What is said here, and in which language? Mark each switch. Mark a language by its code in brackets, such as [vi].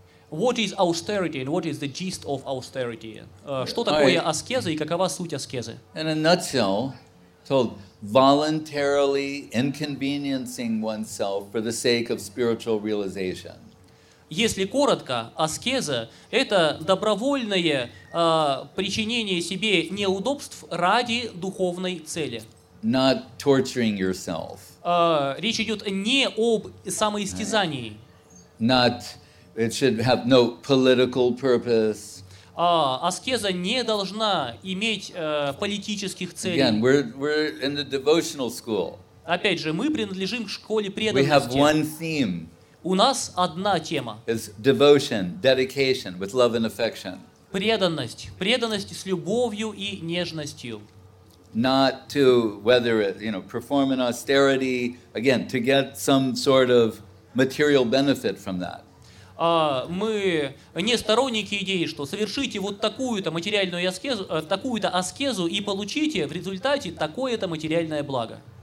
[en] What is austerity and what is the gist of austerity? [ru] Что такое аскеза и какова суть аскезы? [en] In a nutshell, told voluntarily inconveniencing oneself for the sake of spiritual realization. [ru] Если коротко, аскеза — это добровольное причинение себе неудобств ради духовной цели. [en] Not torturing yourself. [ru] Речь идет не об самоистязании. [en] Not, it should have no political purpose. [ru] Аскеза не должна иметь политических целей. [en] Again, we're in the devotional school. [ru] Опять же, мы принадлежим к школе преданности. [en] We have one theme. [ru] У нас одна тема. [en] It's devotion, dedication, with love and affection. [ru] Преданность. Преданность с любовью и нежностью. [en] Not to, whether it, you know, perform an austerity, again, to get some sort of material benefit from that. [ru] Мы не сторонники идеи, что совершите вот такую-то материальную аскезу, такую-то аскезу и получите в результате такое-то материальное благо.